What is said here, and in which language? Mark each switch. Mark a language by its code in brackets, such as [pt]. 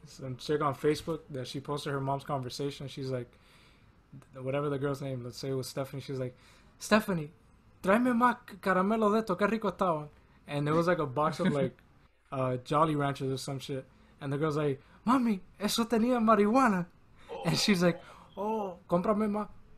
[en] some chick on Facebook that she posted her mom's conversation. She's like, whatever the girl's name, let's say it was Stephanie. [es] She's like, Stephanie, tráeme más caramelo de esto, qué rico estaba. [en] And there was like a box of like Jolly Ranchers or some shit. And the girl's like, mommy, eso tenía marihuana. Oh. And she's like, oh, cómprame más.